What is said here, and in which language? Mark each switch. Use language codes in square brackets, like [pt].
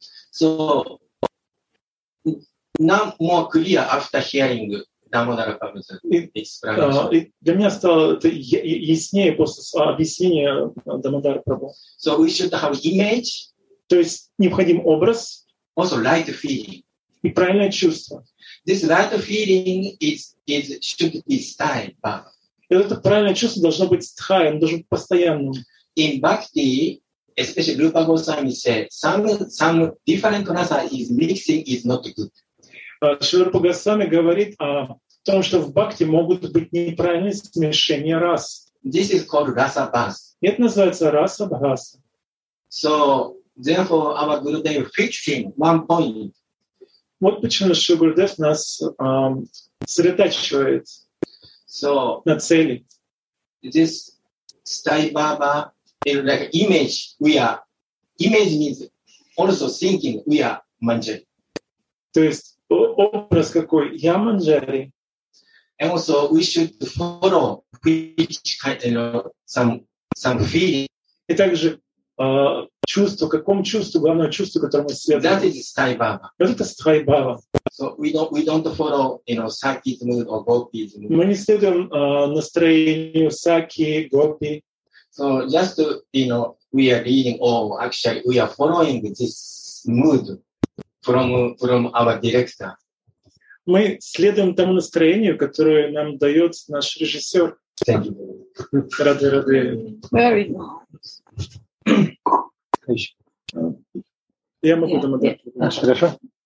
[en] So now more clear after hearing Дамодара Прабху's explanation. [ru] Для меня стало это яснее после объяснения Дамодара Прабху. [en] So we should have image. [ru] То есть необходим образ. [en] Also light feeling. [ru] И правильное чувство. [en] This right feeling is should be sthayi, Baba. [ru] И это правильное чувство должно быть sthayi, оно должно быть постоянным. [en] In bhakti, especially Rupa Goswami said, some different rasa is mixing is not good. [ru] Шри Рупа Госвами говорит о том, что в бхакти могут быть неправильные смешения рас. [en] This is called rasa bhas. [ru] Это называется rasa bhas. [en] So therefore, our Gurudev fixing one point. [ru] Вот почему Шри Гурудев нас сосредотачивает на цели. [en] This sthayi Baba is like image. We are image means also thinking we are Manjari. [ru] То есть образ какой? Я Манджари. [en] And also we should follow which kind of, you know, some feeling. [ru] И также чувство, какому чувству, главное чувство, которое мы следуем. [en] That is sthayi bhava. [ru] Это sthayi bhava. [en] So we don't follow, you know, sakhi mood or gopi mood. [ru] Мы не следуем настроению сакхи, гопи. [en] So just to, you know, we are reading or actually we are following this mood from our director. [ru] Мы следуем тому настроению, которое нам дает наш режиссер. [en] Thank you. [ru] Рады. [en] Very nice. [ru] Я могу домодать. Хорошо.